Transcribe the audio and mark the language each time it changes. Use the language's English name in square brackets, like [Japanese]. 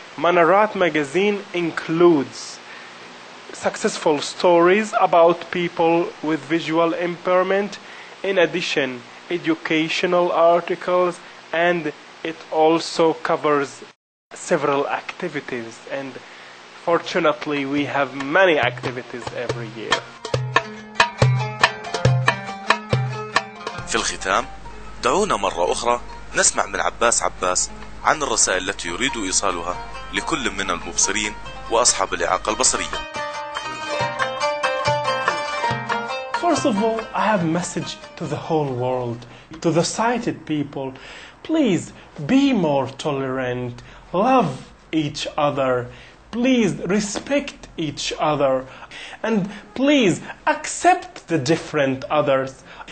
[English] Manarat magazine includes successful stories about people with visual impairment, in addition, educational articles, and it also covers several activities, and fortunately, we have many activities every year. [Arabic] في الختام، دعونا مرة أخرى نسمع من عباس عباس عن الرسائل التي يريد إيصالها لكل من المبصرين وأصحاب الإعاقة البصرية. [English] First of all, I have a message to the whole world, to the sighted people. Please be more tolerant. Love each other. Please respect each other. And please accept the different others.